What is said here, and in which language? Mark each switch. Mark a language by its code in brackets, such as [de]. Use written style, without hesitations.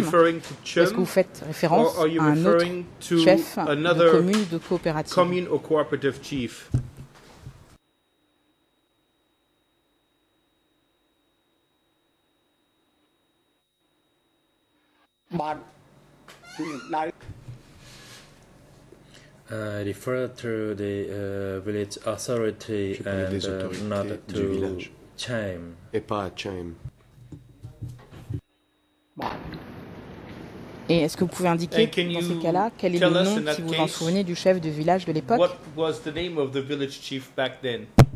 [fr] Est-ce que vous faites référence à un autre chef de commune de coopérative ? [en] I refer to the village authority and not to Chaim. [fr] Et pas à Chaim. Et est-ce que vous pouvez indiquer, dans ces cas-là, quel est le nom, si vous vous en souvenez, du chef de village de l'époque? [en] What was the name of the village chief back then?